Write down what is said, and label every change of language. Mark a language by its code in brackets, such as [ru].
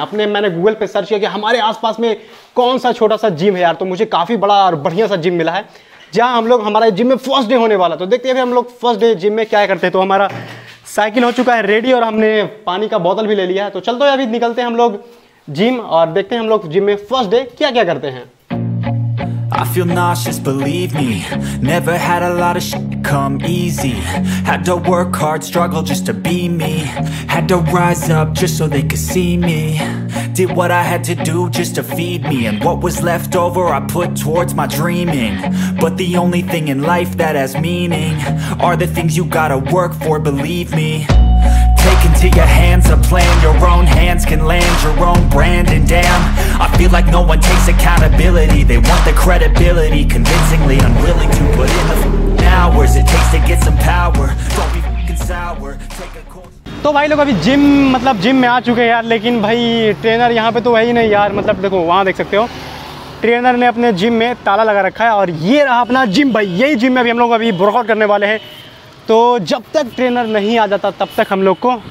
[hi] अपने मैंने गूगल पे सर्च किया कि हमारे आसपास में कौन सा छोटा सा जिम है यार, तो मुझे काफ़ी बड़ा और बढ़िया सा जिम मिला है जहां हम लोग हमारा जिम में फर्स्ट डे होने वाला। तो देखते हैं हम लोग फर्स्ट डे जिम में क्या करते हैं। तो हमारा साइकिल हो चुका है रेडी और हमने पानी का बोतल भी ले लिया है। तो चलते अभी निकलते हैं हम लोग जिम और देखते हैं हम लोग जिम में फर्स्ट डे क्या क्या करते हैं। [en] I feel nauseous, believe me. Never had a lot of shit come easy. Had to work hard, struggle just to be me. Had to rise up just so they could see me. Did what I had to do just to feed me. And what was left over I put towards my dreaming. But the only thing in life that has meaning are the things you gotta work for, believe me. Into your hands a plan, your own hands can land your own brand. And damn, I feel like no one takes accountability. They want the credibility, convincingly unwilling to put in the hours it takes to get some power. Don't be f***ing sour. Take a course. [hi] तो भाई लोग अभी gym मतलब gym में आ चुके हैं यार, लेकिन भाई ट्रेनर यहाँ पे तो है ही नहीं यार। मतलब देखो वहाँ देख सकते हो ट्रेनर ने अपने जिम में ताला लगा रखा है और ये रहा अपना जिम भाई। यही जिम में अभी हम लोग अभी वर्कआउट करने वाले हैं। तो जब तक ट्रेनर नहीं आ जाता तब तक हम लोग को